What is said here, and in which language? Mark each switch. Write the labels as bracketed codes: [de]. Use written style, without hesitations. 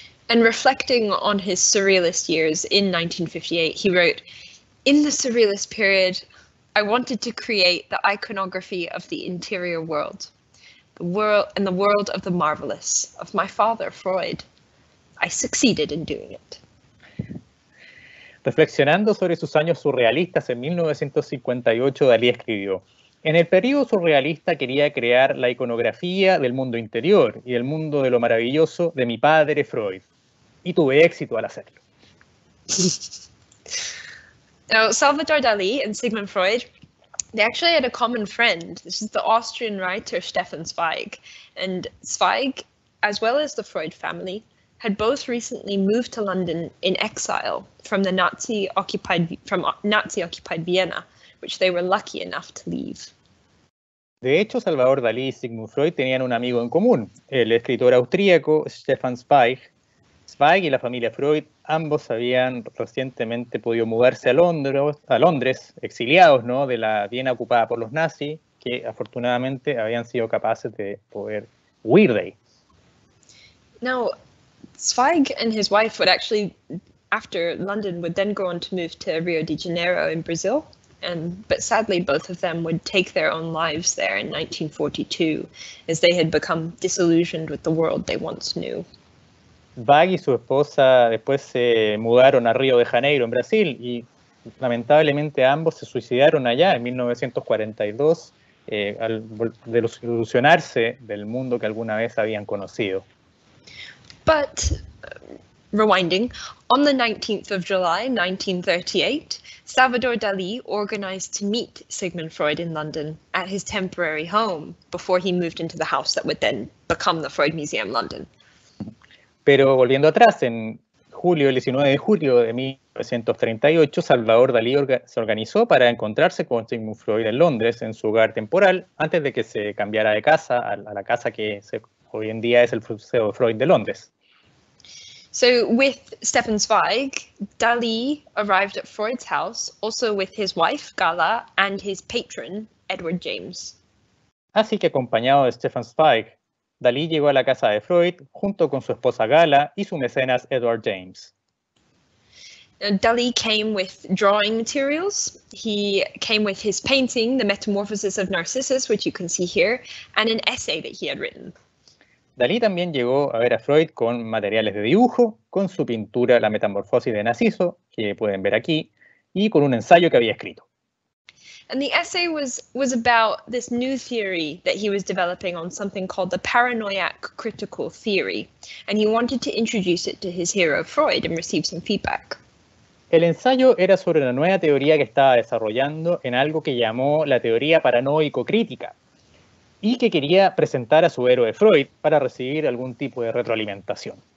[en] And reflecting on his surrealist years in 1958, he wrote, "In the surrealist period, I wanted to create the iconography of the interior world, the world and the world of the marvelous, of my father, Freud. I succeeded in doing it." [es] Reflexionando sobre sus años surrealistas en 1958, Dalí escribió, "En el periodo surrealista quería crear la iconografía del mundo interior y del mundo de lo maravilloso de mi padre, Freud. Y tuve éxito al hacerlo." [en] Now, Salvador Dalí and Sigmund Freud, they actually had a common friend. This is the Austrian writer Stefan Zweig. And Zweig, as well as the Freud family, had both recently moved to London in exile from the Nazi-occupied Vienna, which they were lucky enough to leave. [es] De hecho, Salvador Dalí y Sigmund Freud tenían un amigo en común, el escritor austríaco Stefan Zweig. Zweig y la familia Freud, ambos habían recientemente podido mudarse a Londres, exiliados, ¿no?, de la Viena ocupada por los nazis, que afortunadamente habían sido capaces de poder huir de ahí. [en] Now, Zweig and his wife would actually, after London, would then go on to move to Rio de Janeiro in Brazil. But sadly, both of them would take their own lives there in 1942, as they had become disillusioned with the world they once knew. [es] Zweig y su esposa después se mudaron a Río de Janeiro, en Brasil, y lamentablemente ambos se suicidaron allá en 1942 al desilusionarse del mundo que alguna vez habían conocido. [en] But, rewinding, on the 19th of July, 1938, Salvador Dalí organized to meet Sigmund Freud in London at his temporary home before he moved into the house that would then become the Freud Museum London. [es] Pero volviendo atrás, en julio, el 19 de julio de 1938, Salvador Dalí se organizó para encontrarse con Sigmund Freud en Londres, en su hogar temporal, antes de que se cambiara de casa a la casa que hoy en día es el Museo Freud de Londres. [en] So, with Stefan Zweig, Dalí arrived at Freud's house, also with his wife, Gala, and his patron, Edward James. [es] Así que acompañado de Stefan Zweig, Dalí llegó a la casa de Freud junto con su esposa Gala y su mecenas Edward James. [en] Dalí came with drawing materials. He came with his painting, The Metamorphosis of Narcissus, which you can see here, and an essay that he had written. [es] Dalí también llegó a ver a Freud con materiales de dibujo, con su pintura La Metamorfosis de Narciso, que pueden ver aquí, y con un ensayo que había escrito. [en] And the essay was about this new theory that he was developing on something called the paranoiac critical theory. And he wanted to introduce it to his hero Freud and receive some feedback. [es] El ensayo era sobre una nueva teoría que estaba desarrollando en algo que llamó la teoría paranoico-crítica y que quería presentar a su héroe Freud para recibir algún tipo de retroalimentación.